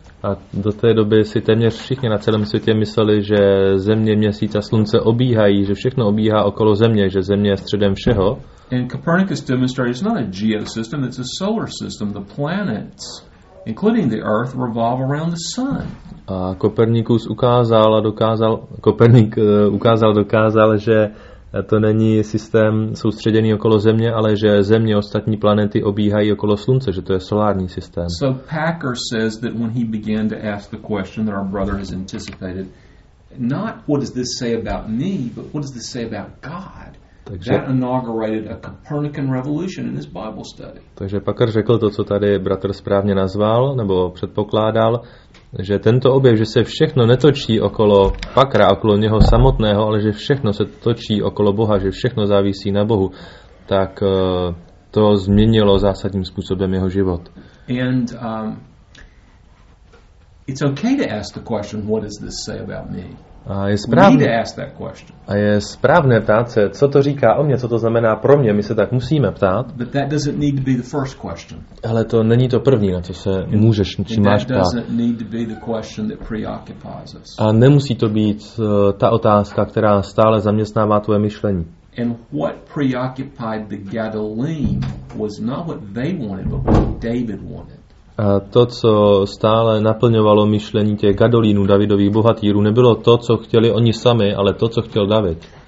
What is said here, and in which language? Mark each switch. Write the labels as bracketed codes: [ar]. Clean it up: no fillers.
[cs] A do té doby si téměř všichni na celém světě mysleli, že Země, Měsíc a Slunce obíhají, že všechno obíhá okolo Země, že Země je středem všeho. [en] And Copernicus demonstrated it's not a geosystem, it's a solar system. The planets, including the Earth, revolve around the sun. [cs] A Kopernikus ukázal, že to není systém soustředěný okolo Země, ale že Země, ostatní planety obíhají okolo Slunce, že to je solární systém. [en] So Packer says that when he began to ask the question that our brother has anticipated, not what does this say about me, but what does this say about God? Takže, that inaugurated a Copernican revolution in his Bible study. [cs] Takže Packer řekl to, co tady bratr správně nazval, nebo předpokládal, že tento objev, že se všechno netočí okolo Packera, okolo něho samotného, ale že všechno se točí okolo Boha, že všechno závisí na Bohu, tak to změnilo zásadním způsobem jeho život. [en] And it's okay to ask the question, what does this say about me? [cs] A je správné ptát se, co to říká o mě, co to znamená pro mě, my se tak musíme ptát. [en] But that doesn't need to be the first question. [cs] Ale to není to první, na co se můžeš, či máš ptát. [en] That doesn't need to be the question that preoccupies us. [cs] A nemusí to být ta otázka, která stále zaměstnává tvoje myšlení. [en] And what preoccupied the Galileans was not what they wanted, but what David wanted. [cs] A to, co stále naplňovalo myšlení těch gadolínů, Davidových bohatýrů, nebylo to, co chtěli oni sami, ale to, co chtěl David.